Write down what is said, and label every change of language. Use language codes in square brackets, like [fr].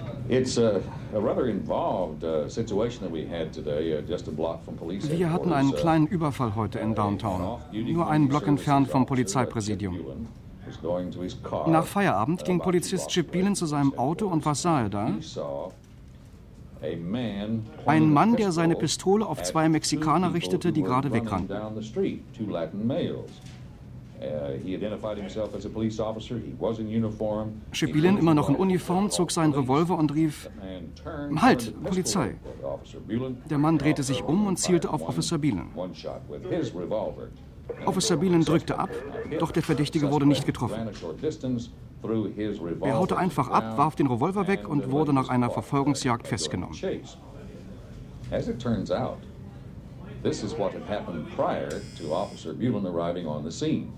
[en] It's a rather involved situation that we had today, just a block from police headquarters. [de] Wir hatten einen kleinen Überfall heute in Downtown, nur einen Block entfernt vom Polizeipräsidium. Nach Feierabend ging Polizist Chip Bielen zu seinem Auto und was sah er da? Ein Mann, der seine Pistole auf zwei Mexikaner richtete, die gerade wegrannten. Chip Bielen, immer noch in Uniform, zog seinen Revolver und rief: Halt, Polizei! Der Mann drehte sich um und zielte auf Officer Bielen. Officer Bielen drückte ab, doch der Verdächtige wurde nicht getroffen. Er haute einfach ab, warf den Revolver weg und wurde nach einer Verfolgungsjagd festgenommen. [en] As it turns out, this is what had happened prior to Officer Bielen arriving on the scene.